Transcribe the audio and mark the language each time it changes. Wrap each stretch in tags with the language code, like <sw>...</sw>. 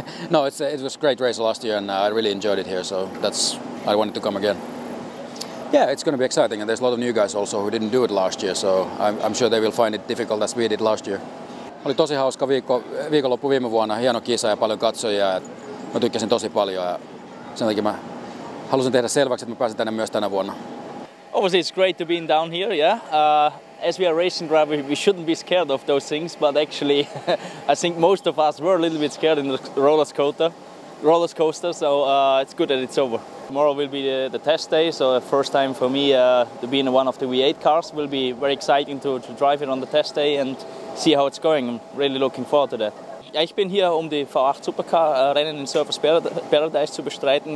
<en>No, it was a great race last year, and I really enjoyed it here. So that's, I wanted to come again. Yeah, it's going to be exciting, and there's a lot of new guys also who didn't do it last year. So I'm sure they will find it difficult as we did last year.</en> <fi>Oli tosi hauska viikonloppu viime vuonna. Hieno kisa ja paljon katsojia. Mä tykkäsin tosi paljon ja sen takia mä halusin tehdä selväksi, että mä pääsin tänne myös tänä vuonna.</fi> <en>Obviously it's great to be down here, yeah. As we are racing driver, we shouldn't be scared of those things, but actually I think most of us were a little bit scared in the roller coaster, so it's good that it's over. Tomorrow will be the test day, so the first time for me to be in one of the V8 cars. Will be very exciting to drive it on the test day and see how it's going. I'm really looking forward to that.</en> <de>Ja, ich bin hier, um die V8 Supercar Rennen in Surfers Paradise zu bestreiten.</de>